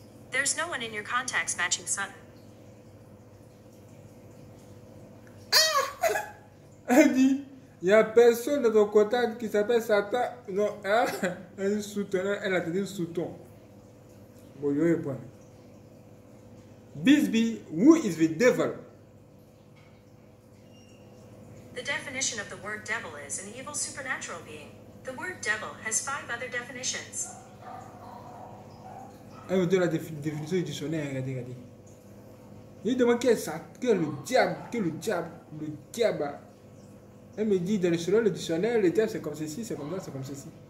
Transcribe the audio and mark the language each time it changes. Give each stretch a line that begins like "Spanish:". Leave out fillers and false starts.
English: There's no one in your contacts matching Sutton.
French: Elle dit, il n'y a personne dans ton contact qui s'appelle Satan. Non, elle soutenait, elle a dit sous-ton. Bon, je réponds.
English: Bisbee, who is the devil? The definition of the word devil is an evil supernatural being. The word devil has five other definitions.
French: Elle me donne la définition du dictionnaire, regardez, regardez. Il demande qui est Satan, qui est le diable, qui est le diable, le diable. Elle me dit, dans le dictionnaire, le terme c'est comme ceci, c'est comme ça, c'est comme ceci.